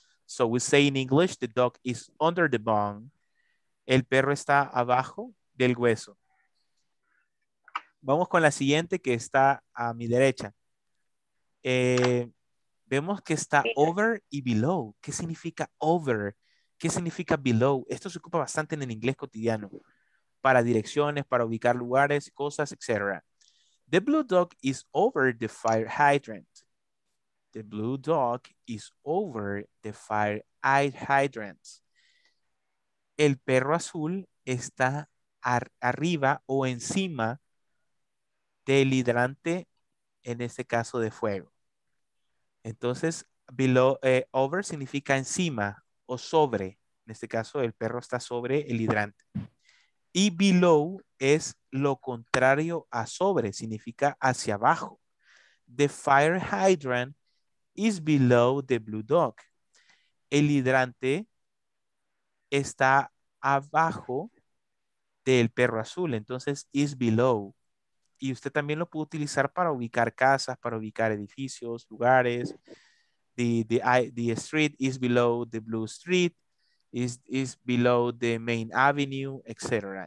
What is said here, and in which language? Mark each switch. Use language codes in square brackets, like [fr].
[en] So we say in English, the dog is under the bone. [es] El perro está abajo del hueso. Vamos con la siguiente que está a mi derecha. Vemos que está over y below. ¿Qué significa over? ¿Qué significa below? Esto se ocupa bastante en el inglés cotidiano. Para direcciones, para ubicar lugares, cosas, etc. [en] The blue dog is over the fire hydrant. The blue dog is over the fire hydrant. [es] El perro azul está arriba o encima del hidrante, en este caso de fuego. Entonces, below, over significa encima o sobre. En este caso, el perro está sobre el hidrante. Y below es lo contrario a sobre, significa hacia abajo. [en] The fire hydrant is below the blue dog. [es] El hidrante está abajo del perro azul. Entonces, is below. Y usted también lo puede utilizar para ubicar casas, para ubicar edificios, lugares. [en] The street is below the blue street, is below the main avenue, etc.